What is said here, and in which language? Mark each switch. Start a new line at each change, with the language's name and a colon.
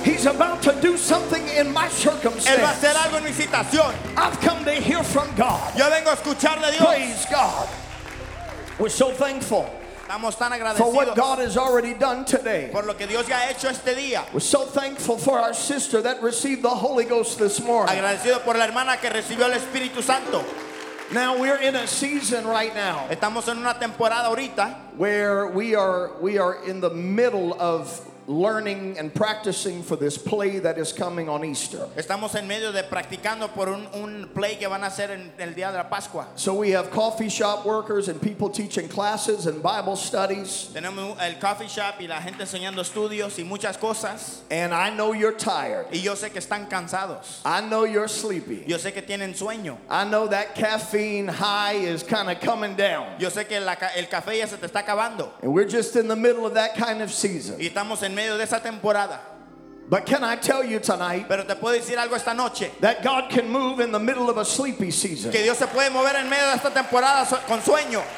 English: He's about to do something in my circumstance.
Spanish: Él va a hacer algo en mi situación.
English: I've come to hear from God.
Spanish: Yo vengo a escuchar de Dios.
English: Praise God. We're so thankful.
Spanish: Estamos tan agradecidos
English: for what God has already done today.
Spanish: Por lo que Dios ya ha hecho este día.
English: We're so thankful for our sister that received the Holy Ghost this morning.
Spanish: Agradecido por la hermana que recibió el Espíritu Santo.
English: Now we're in a season right now.
Spanish: Estamos en una temporada ahorita.
English: Where we are in the middle of learning and practicing for this play that is coming on Easter.
Spanish: Estamos en medio de practicando por un play que van a hacer en el día de la Pascua.
English: So we have coffee shop workers and people teaching classes and Bible studies.
Spanish: Tenemos el coffee shop y la gente enseñando estudios y muchas cosas.
English: And I know you're tired.
Spanish: Y yo sé que están cansados.
English: I know you're sleepy.
Spanish: Yo sé que tienen sueño.
English: I know that caffeine high is kind of coming down.
Spanish: Yo sé que el café ya se te está acabando.
English: And we're just in the middle of that kind of season.
Spanish: Y estamos en medio de esa temporada.
English: But can I tell you tonight?
Spanish: Pero te puedo decir algo esta noche.
English: That God can move in the middle of a sleepy season.
Spanish: Que Dios se puede mover en medio de esta temporada con sueño.